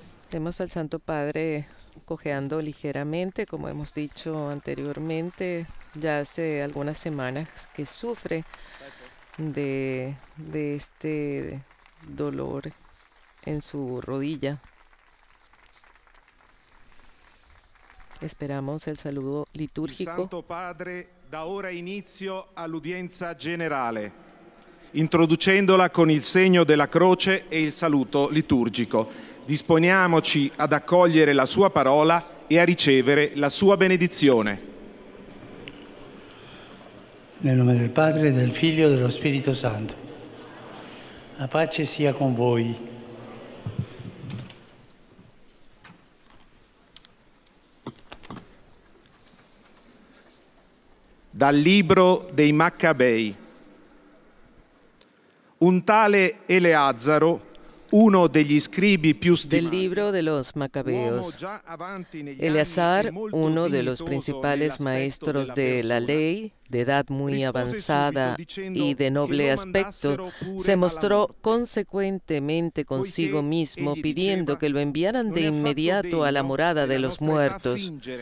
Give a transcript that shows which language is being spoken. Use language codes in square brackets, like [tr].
[es] Vemos al Santo Padre cojeando ligeramente, como hemos dicho anteriormente, ya hace algunas semanas que sufre de este dolor en su rodilla. Esperamos el saludo litúrgico. [it] Santo Padre da ora inizio all'udienza generale, [es] introduciéndola [it] con il segno della croce e il saluto liturgico. Disponiamoci ad accogliere la sua parola e a ricevere la sua benedizione. Nel nome del Padre, del Figlio e dello Spirito Santo. La pace sia con voi. Dal libro dei Maccabei. Un tale Eleazaro, uno degli scribi più stimati. [es] Del libro de los Maccabeos. Eleazar, uno de los principales maestros de la ley, de edad muy avanzada y de noble aspecto, se mostró consecuentemente consigo mismo pidiendo que lo enviaran de inmediato a la morada de los muertos.